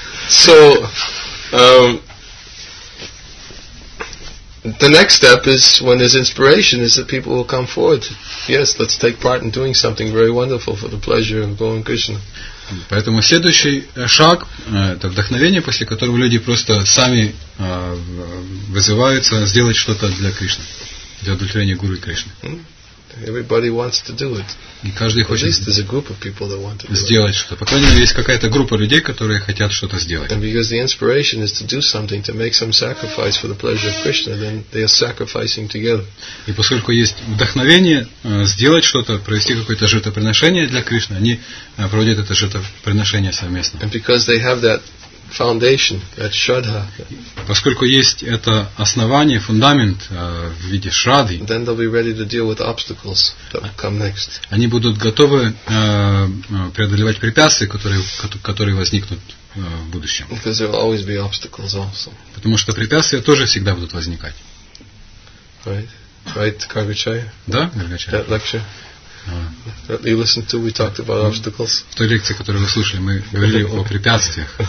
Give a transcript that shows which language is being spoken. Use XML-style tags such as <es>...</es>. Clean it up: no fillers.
<en>So, the next step is when there's inspiration, is that people will come forward. Yes, let's take part in doing something very wonderful for the pleasure of Govind Krishna.</en> <ru>Поэтому следующий шаг это вдохновение, после которого люди просто сами вызываются сделать что-то для Кришны, для удовлетворения Гуру и Кришны.</ru> <en>Everybody wants to do it.</en> <ru>И каждый хочет сделать что-то. По крайней мере, есть какая-то группа людей, которые хотят что-то сделать.</ru> <en>And because the inspiration is to do something, to make some sacrifice for the pleasure of Krishna, then they are sacrificing together.</en> <ru>И поскольку есть вдохновение сделать что-то, провести какое-то жертвоприношение для Кришны, они проводят это жертвоприношение совместно.</ru> <en>And because they have that foundation, that shraddha.</en> <ru>Поскольку есть это основание, фундамент в виде шрадды.</ru> <en>Then they'll be ready to deal with obstacles that will come next.</en> <ru>Они будут готовы преодолевать препятствия, которые возникнут в будущем.</ru> <en>Because there will always be obstacles also.</en> <ru>Потому что препятствия тоже всегда будут возникать.</ru> <en>Right, Каргачая.</en> <ru>Да, Каргачая.</ru> <en>That lecture. That you listened to, we talked about obstacles.</en> <ru>В той лекции, которую вы слушали, мы говорили о препятствиях.</ru>